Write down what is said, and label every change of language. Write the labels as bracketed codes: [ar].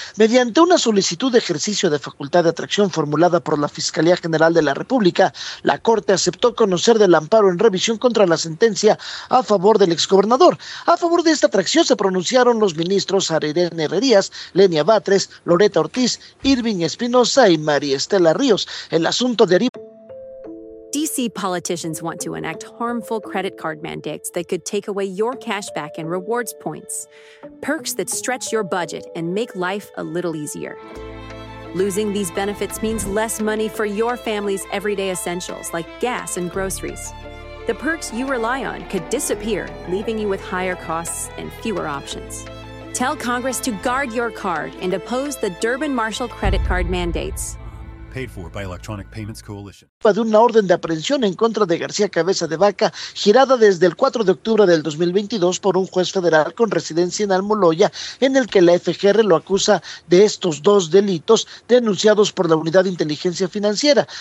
[es] Mediante una solicitud de ejercicio de facultad de atracción formulada por la Fiscalía General de la República, la Corte aceptó conocer del amparo en revisión contra la sentencia a favor del exgobernador. A favor de esta atracción se pronunciaron los ministros Arirén Herrerías, Lenia Batres, Loreta Ortiz, Irving Espinosa y María Estela Ríos. El asunto deriva. [en] DC politicians want to enact harmful credit card mandates that could take away your cash back and rewards points. Perks that stretch your budget and make life a little easier. Losing these benefits means less money for your family's everyday essentials like gas and groceries. The perks you rely on could disappear, leaving you with higher costs and fewer options. Tell Congress to guard your card and oppose the Durbin-Marshall credit card mandates. Paid for by Electronic Payments Coalition. [es] De una orden de aprehensión en contra de García Cabeza de Vaca, girada desde el 4 de octubre del 2022 por un juez federal con residencia en Almoloya, en el que la FGR lo acusa de estos dos delitos denunciados por la Unidad de Inteligencia Financiera.